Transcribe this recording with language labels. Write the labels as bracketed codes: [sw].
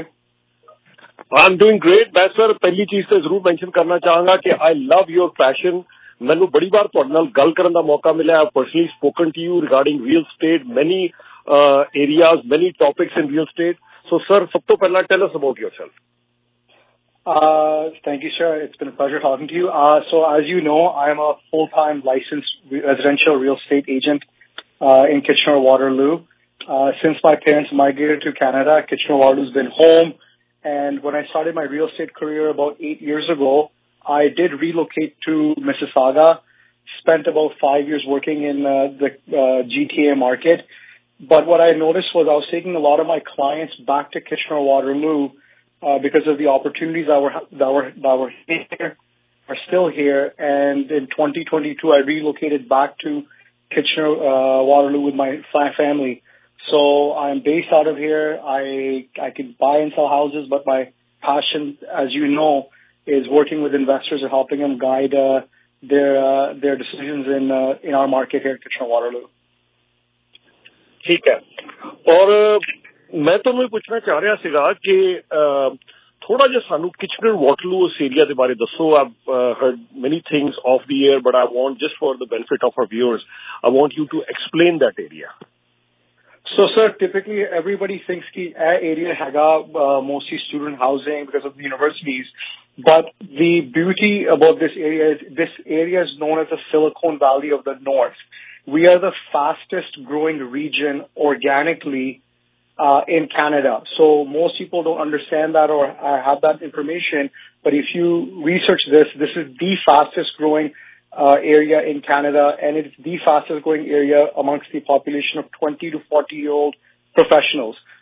[en] I am doing great. [pa] ਮੈਂ sir ਪਹਿਲੀ ਚੀਜ਼ ਤੇ ਜ਼ਰੂਰ ਮੈਂਸ਼ਨ ਕਰਨਾ ਚਾਹਾਂਗਾ ਕਿ [en] I love your passion. [pa] ਮੈਨੂੰ ਬੜੀ ਵਾਰ ਤੁਹਾਡੇ ਨਾਲ ਗੱਲ ਕਰਨ ਦਾ ਮੌਕਾ ਮਿਲਿਆ, [en] Personally spoken to you regarding real estate, many areas, many topics in real estate. So sir, [pa] ਸਭ ਤੋਂ ਪਹਿਲਾਂ [en] Tell us about yourself. Thank you, sir. It's been a pleasure talking to you. So as you know, I am a full-time licensed residential real estate agent in Kitchener-Waterloo. Since my parents migrated to Canada, Kitchener-Waterloo has been home. And when I started my real estate career about 8 years ago, I did relocate to Mississauga, spent about 5 years working in the GTA market. But what I noticed was I was taking a lot of my clients back to Kitchener-Waterloo because of the opportunities that were here are still here. And in 2022, I relocated back to Kitchener-Waterloo with my family. So I'm based out of here. I can buy and sell houses, but my passion, as you know, is working with investors and helping them guide their decisions in our market here in Kitchener-Waterloo. [pa] ਠੀਕ ਹੈ, ਔਰ ਮੈਂ ਤੁਹਾਨੂੰ ਇਹ ਪੁੱਛਣਾ ਚਾਹ ਰਿਹਾ ਸੀਗਾ ਕਿ ਥੋੜਾ ਜਿਹਾ ਸਾਨੂੰ ਕਿਚਨਰ ਵਾਟਰਲੂ ਉਸ ਏਰੀਆ ਦੇ ਬਾਰੇ ਦੱਸੋ। [en] I heard many things of the air, but I want just for the benefit of our viewers, I want you to explain that area. So sir, typically everybody thinks [pa] ਕਿ ਇਹ ਏਰੀਆ ਹੈਗਾ [en] Mostly student housing because of the universities, but the beauty about this area is known as a silicon valley of the north. We are the fastest growing region organically in Canada. So most people don't understand that or have that information. But if you research this, this is the fastest growing area in Canada. And it's the fastest growing area amongst the population of 20 to 40 year old professionals.